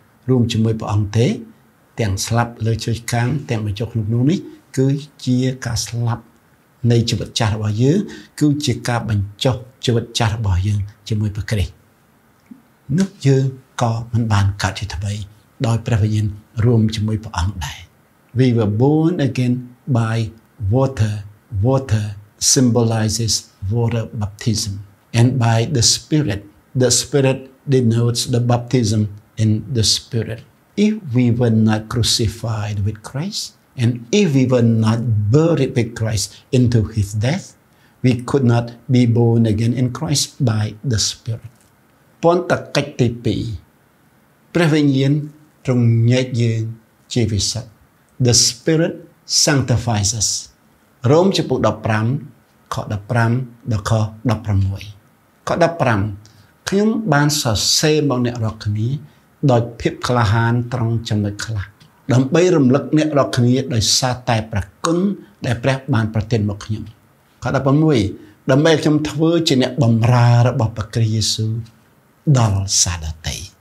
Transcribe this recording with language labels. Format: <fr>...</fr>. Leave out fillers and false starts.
<km>រួមជាមួយព្រះអង្គទេទាំងស្លាប់លើឈើឆ្កាងទាំងបញ្ចុះក្នុងភ្នោនេះគឺជាការស្លាប់នៃជីវិតចាស់របស់យើងគឺជាការបញ្ចុះជីវិតចាស់របស់យើងជាមួយព្រះគ្រីស្ទនោះយើងក៏មិនបានកើតជាថ្មីដោយព្រះវិញ្ញាណរួមជាមួយព្រះអង្គដែរ</km> <en>We were born again by water. Water symbolizes water baptism. And by the Spirit. The Spirit denotes the baptism in the Spirit. If we were not crucified with Christ, and if we were not buried with Christ into his death, we could not be born again in Christ by the Spirit.</en> <km>ពន្តកិច្ចទី2ព្រះវិញ្ញាណទ្រង់ញែកយើងជាវិសុទ្ធ</km> <en>The Spirit sanctifies us.</en> <km>រ៉ូមជំពូក15ខ15ដល់ខ16ខ15ខ្ញុំបានសរសេរមកអ្នករាល់គ្នាដោយភាពក្លាហានត្រង់ចំណុចខ្លះដើម្បីរំលឹកអ្នករាល់គ្នាដោយសារតែព្រះគុណដែលព្រះបានប្រទានមកខ្ញុំខ16ដើម្បីខ្ញុំធ្វើជាអ្នកបម្រើរបស់ព្រះគ្រីស្ទយេស៊ូវដល់សាដតី</km>